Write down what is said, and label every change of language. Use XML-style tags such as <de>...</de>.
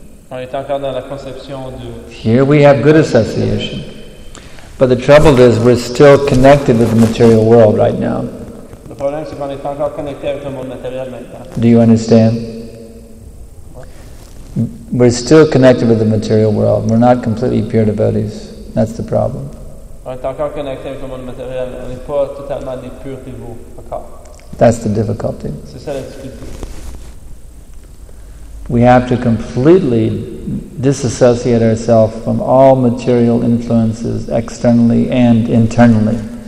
<fr>On est encore dans la conception de.</fr> <en>Here we have good association. But the trouble is, we're still connected with the material world right now.</en> <fr>Le problème, c'est qu'on est encore connecté avec le monde matériel maintenant.</fr> <en>Do you understand? What? We're still connected with the material world. We're not completely pure devotees. That's the problem.</en> <fr>On est encore connecté avec le monde matériel. On n'est pas totalement des purs dévots encore.</fr> <en>That's the difficulty.</en> <fr>C'est ça la difficulté.</fr> <en>We have to completely disassociate ourselves from all material influences externally and internally.</en>